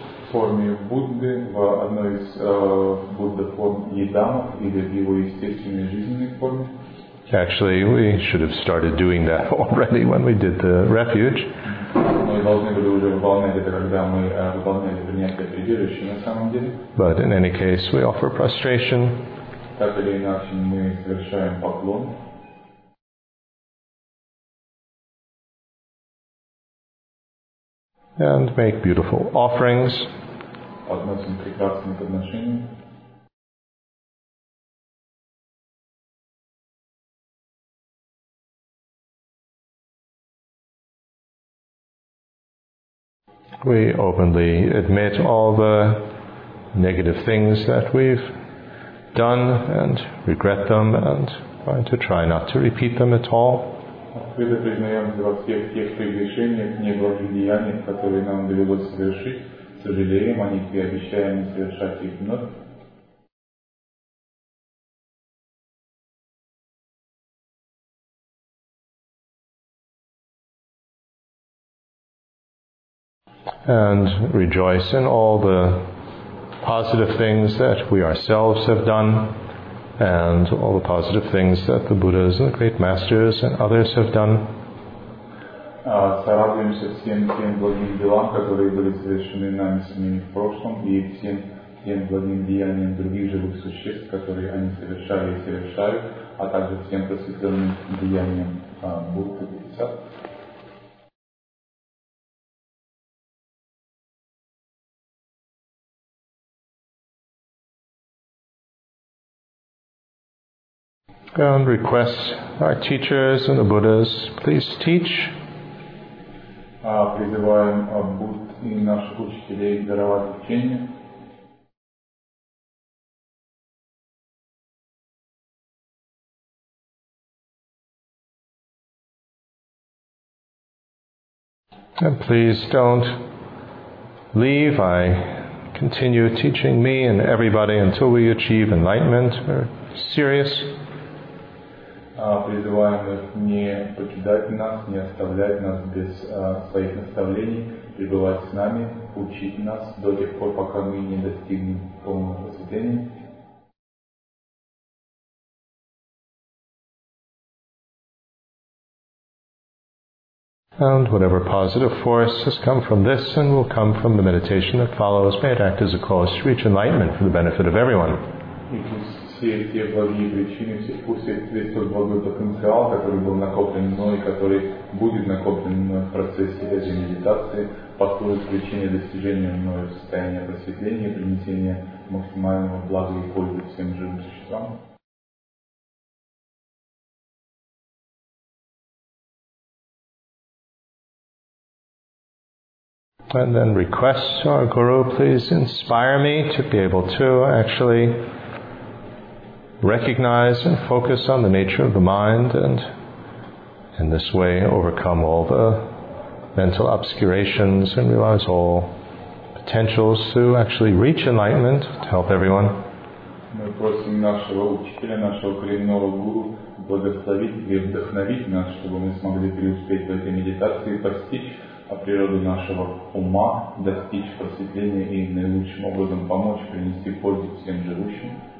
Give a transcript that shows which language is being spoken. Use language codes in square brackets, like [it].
[ru] Форме Будды, в одной из Будда форм Едамов или в его естественной жизненной форме. [en] Actually, we should have started doing that already when we did the refuge. [ru] Мы должны были уже выполнять это, когда мы выполняли принятие прибежища на самом деле. [en] But in any case, we offer prostration. [ru] Так или иначе, мы совершаем поклон. [en] And make beautiful offerings. [ru] Относим прекрасные подношения. [en] We openly admit all the negative things that we've done and regret them and try to not to repeat them at all. [ru] Открыто признаемся во всех тех прегрешениях, неблагодеяниях, которые нам довелось совершить, сожалеем о них и обещаем не совершать их вновь. [en] And rejoice in all the positive things that we ourselves have done. And all the positive things that the Buddhas and the great masters and others have done. [ru] Сорадуемся всем тем благим делам, которые были совершены нами самими в прошлом, и всем тем благим деяниям других живых существ, которые они совершали и совершают, а также всем просветленным деяниям Будды и Сад. [en] And request our teachers and the Buddhas, please teach. [ru] Призываем Будд и наших учителей даровать учение. [en] And please don't leave. I continue teaching me and everybody until we achieve enlightenment. We're serious. [ru] Призываем их не покидать нас, не оставлять нас без своих наставлений, пребывать с нами, учить нас до тех пор, пока мы не достигнем полного просветления. [en] And whatever positive force has come from this and will come from the meditation that follows, may it act as a cause to reach enlightenment for the benefit of everyone. [ru] Все благие причины, все тот благой потенциал, который был накоплен мной, который будет накоплен мной в процессе этой медитации, послужит причиной достижения мною состояния просветления, принесения максимального блага и пользы всем живым существам. [en] And then request our guru, please inspire me to be able to actually recognize and focus on the nature of the mind, and in this way overcome all the mental obscurations and realize all potentials to actually reach enlightenment, to help everyone. [ru] Мы просим нашего учителя, нашего коренного гуру, благословить и вдохновить нас, чтобы мы смогли преуспеть в этой медитации, постичь природу нашего ума, достичь просветления и наилучшим образом помочь принести пользу всем живущим.